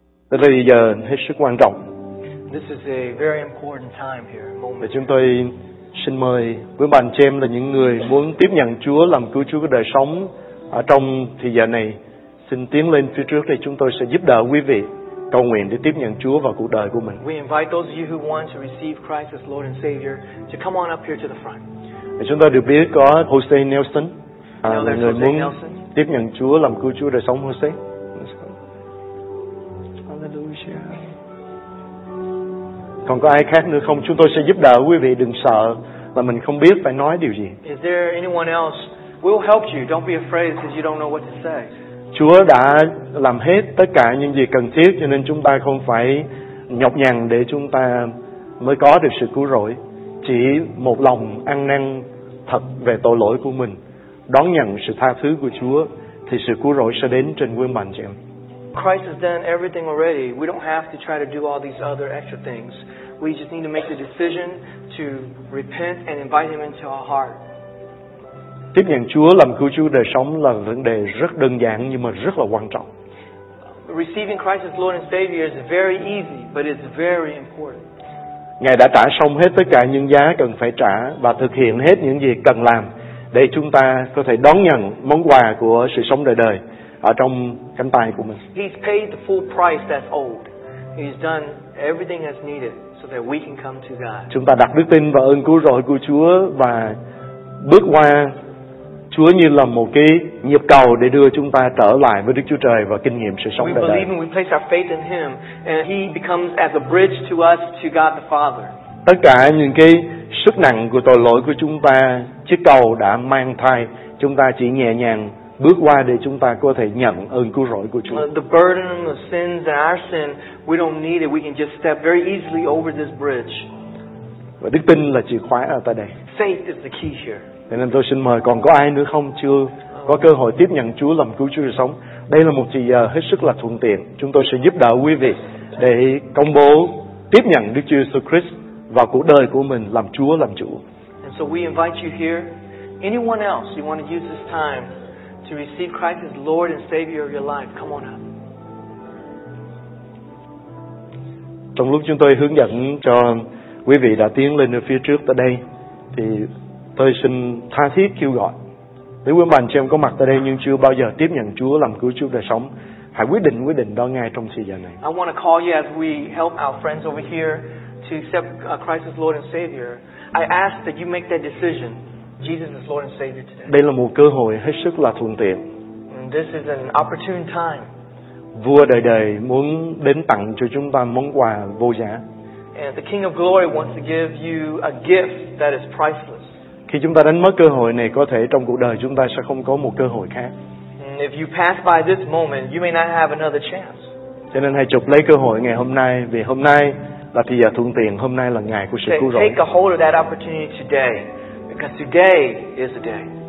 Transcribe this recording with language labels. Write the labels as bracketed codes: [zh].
[vi] Đây là giờ hết sức quan trọng. [en] This is a very important time here. [vi] Và chúng tôi xin mời quý bạn chị em là những người muốn tiếp nhận Chúa làm cứu Chúa của đời sống ở trong thời gian này, xin tiến lên phía trước thì chúng tôi sẽ giúp đỡ quý vị cầu nguyện để tiếp nhận Chúa vào cuộc đời của mình. [en] We invite those of you who want to receive Christ as Lord and Savior to come on up here to the front. [vi] Và chúng tôi được biết có Jose Nelson, là người muốn Nelson tiếp nhận Chúa làm cứu Chúa đời sống. Jose. Còn có ai khác nữa không? Chúng tôi sẽ giúp đỡ quý vị, đừng sợ là mình không biết phải nói điều gì. [en] Is there anyone else? We'll help you. Don't be afraid because you don't know what to say. [vi] Chúa đã làm hết tất cả những gì cần thiết, cho nên chúng ta không phải nhọc nhằn để chúng ta mới có được sự cứu rỗi. Chỉ một lòng ăn năn thật về tội lỗi của mình, đón nhận sự tha thứ của Chúa thì sự cứu rỗi sẽ đến trên quân bàn chèm. [en] Christ has done everything already. We don't have to try to do all these other extra things. We just need to make the decision to repent and invite Him into our heart. [vi] Tiếp nhận Chúa làm cứu Chúa đời sống là vấn đề rất đơn giản nhưng mà rất là quan trọng. [en] Receiving Christ as Lord and Savior is very easy, but it's very important. [vi] Ngài đã trả xong hết tất cả những giá cần phải trả và thực hiện hết những gì cần làm để chúng ta có thể đón nhận món quà của sự sống đời đời ở trong cánh tay của mình. [en] He's paid the full price that's owed. He's done everything that's needed so that we can come to God. [vi] Chúng ta đặt đức tin vào ơn cứu rỗi của Chúa và bước qua Chúa như là một cái nhịp cầu để đưa chúng ta trở lại với Đức Chúa Trời và kinh nghiệm sự sống đời đời. [en] We believe and we place our faith in Him and He becomes as a bridge to us to God the Father. [vi] Tất cả những cái sức nặng của tội lỗi của chúng ta, chiếc cầu đã mang thai, chúng ta chỉ nhẹ nhàng bước qua để chúng ta có thể nhận ơn cứu rỗi của Chúa. [en] The burden of sins and our sin, we don't need it. We can just step very easily over this bridge. [vi] Và đức tin là chìa khóa ở tại đây. [en] Faith is the key here. [vi] Thế nên tôi xin mời còn có ai nữa không, chưa có cơ hội tiếp nhận Chúa làm cứu Chúa đời sống. Đây là một thời giờ hết sức là thuận tiện. Chúng tôi sẽ giúp đỡ quý vị để công bố tiếp nhận Đức Chúa Jesus Christ vào cuộc đời của mình làm Chúa làm chủ. [en] And so we invite you here. Anyone else you want to use this time to receive Christ as Lord and Savior of your life, come on up. [vi] Trong lúc chúng tôi hướng dẫn cho quý vị đã tiến lên ở phía trước tại đây, thì tôi xin tha thiết kêu gọi. Nếu quý bạn chị em có mặt tại đây nhưng chưa bao giờ tiếp nhận Chúa làm cứu Chúa đời sống, hãy quyết định đó ngay trong thời gian này. [en] I want to call you as we help our friends over here to accept Christ as Lord and Savior. I ask that you make that decision. Jesus is Lord and Savior today. [vi] Đây là một cơ hội hết sức là thuận tiện. [en] This is an opportune time. [vi] Vua đời đời muốn đến tặng cho chúng ta món quà vô giá. [en] And the King of Glory wants to give you a gift that is priceless. [vi] Khi chúng ta đánh mất cơ hội này, có thể trong cuộc đời chúng ta sẽ không có một cơ hội khác. [en] And if you pass by this moment, you may not have another chance. [vi] Cho nên hãy chụp lấy cơ hội ngày hôm nay, vì hôm nay là thời giờ thuận tiện, hôm nay là ngày của sự cứu rỗi. [en] Take a hold of that opportunity today. Because today is the day.